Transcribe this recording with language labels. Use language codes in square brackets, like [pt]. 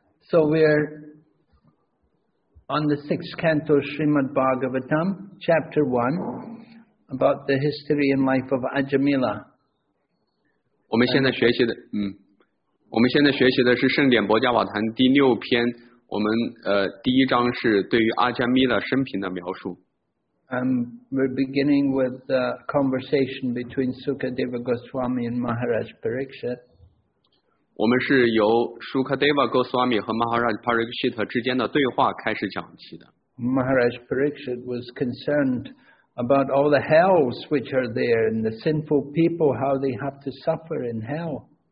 [en] So we're on the sixth canto of Srimad Bhagavatam, chapter 1, about the history and life of Ajamila. [zh] 我们现在学习的是圣典博伽瓦坛第六篇，我们第一章是对于阿迦弥勒生平的描述。 [en] We're beginning with the conversation between Sukadeva Goswami and Maharaj Parikshit. [zh] 我们是由Sukadeva Goswami 和 Maharaj Parikshit 之间的对话开始讲起的。Maharaj [en] Parikshit was concerned about all the hells which are there and the sinful people, how they have to suffer in hell.